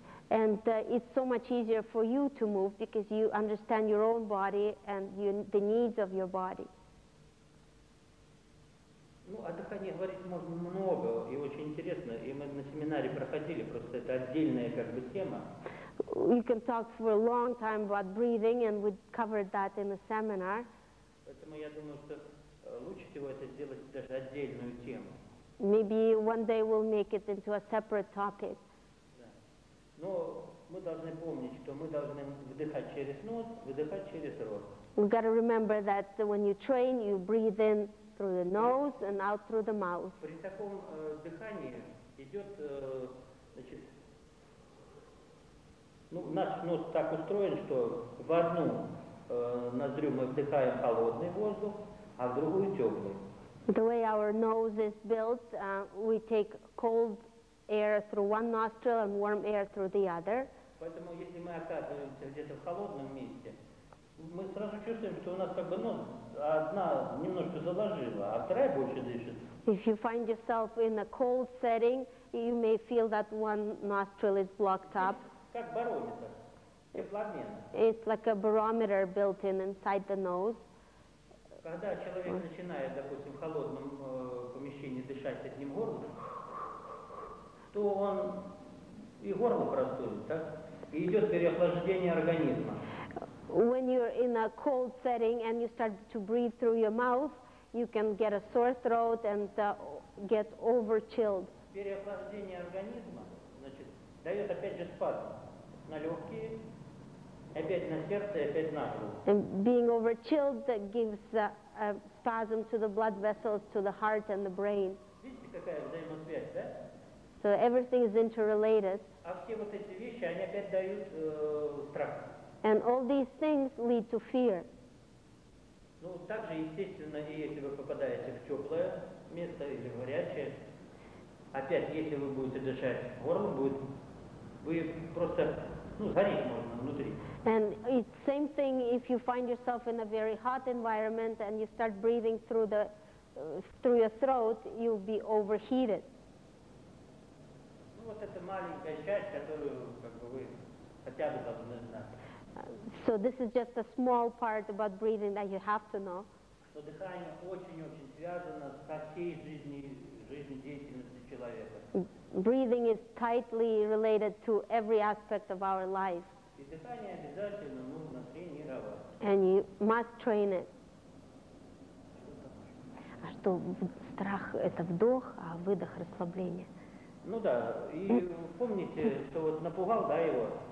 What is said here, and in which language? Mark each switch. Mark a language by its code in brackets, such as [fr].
[en] And it's so much easier for you to move because you understand your own body and the needs of your body. [ru] Ну, о дыхании говорить можно много и очень интересно. И мы на семинаре проходили, просто это отдельная как бы тема. [en] You can talk for a long time about breathing, and we covered that in the seminar. [ru] Поэтому я думаю, что лучше всего это сделать даже отдельную тему. [en] Maybe one day we'll make it into a separate topic. [ru] Но мы должны помнить, что мы должны вдыхать через нос, выдыхать через рот. [en] We've got to remember that when you train, you breathe in through the nose and out through the mouth. [ru] При таком дыхании идет, значит, ну, наш нос так устроен, что в одну ноздрю мы вдыхаем холодный воздух, а в другую теплый. [en] The way our nose is built, we take cold air through one nostril and warm air through the other. [ru] Поэтому если мы оказываемся где-то в холодном месте, мы сразу чувствуем, что у нас как бы нос одна немножко заложила, а вторая больше дышит. [en] If you find yourself in a cold setting, you may feel that one nostril is blocked up. [ru] Как барометр, тепломен. [en] It's like a barometer built in inside the nose. [ru] Когда человек начинает, допустим, в холодном помещении дышать одним горлом, то он и горло простудит, так? И идет переохлаждение организма. [en] When you're in a cold setting and you start to breathe through your mouth, you can get a sore throat and get overchilled. [ru] Переохлаждение организма, значит, дает опять же спазм на легкие, опять на сердце, опять на грудь. [en] And being overchilled gives a spasm to the blood vessels, to the heart and the brain. [ru] Видите, какая взаимосвязь, да? [en] So everything is interrelated. [ru] А все вот эти вещи, они опять дают страх. [en] And all these things lead to fear. [ru] Ну, также, естественно, и если вы попадаете в теплое место или в горячее, опять, если вы будете дышать горлом, вы просто, ну, сгореть можно внутри. [en] And it's the same thing if you find yourself in a very hot environment and you start breathing through the through your throat, you'll be overheated. [ru] Ну, вот это маленькая часть, которую, как бы, вы хотя бы должны знать. [en] So this is just a small part about breathing that you have to know. [ru] Но дыхание очень-очень связано со всей жизнедеятельностью человека. [en] Breathing is tightly related to every aspect of our life. [ru] И дыхание обязательно нужно тренировать. [en] And you must train it. [ru] А что, страх – это вдох, а выдох – расслабление? Ну да, и помните, что вот напугал, да, его?